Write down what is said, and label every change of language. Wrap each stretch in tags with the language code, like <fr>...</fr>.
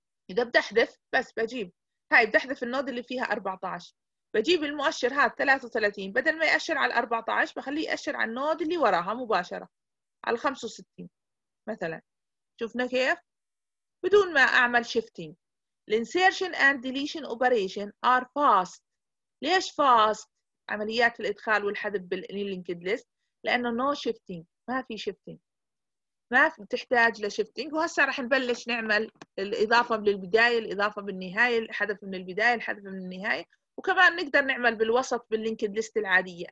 <ar>إذا بدي أحذف بس بجيب هاي، بدي أحذف النود اللي فيها 14، بجيب المؤشر هذا 33 بدل ما يأشر على 14 بخليه يأشر على النود اللي وراها مباشرة على 65 مثلا. شفنا كيف؟ بدون ما أعمل shifting.</ar> <en>insertion and deletion operation are fast.</en> <ar>ليش fast؟ عمليات الإدخال والحذف باللينكد ليست لأنه</ar> <en>no shifting،</en> <ar>ما في shifting، ما بتحتاج لشيفتنج. وهسه رح نبلش نعمل الإضافة من البداية، الإضافة بالنهاية، الحذف من البداية، الحذف من النهاية، وكمان نقدر نعمل بالوسط باللينكد ليست العادية.</ar>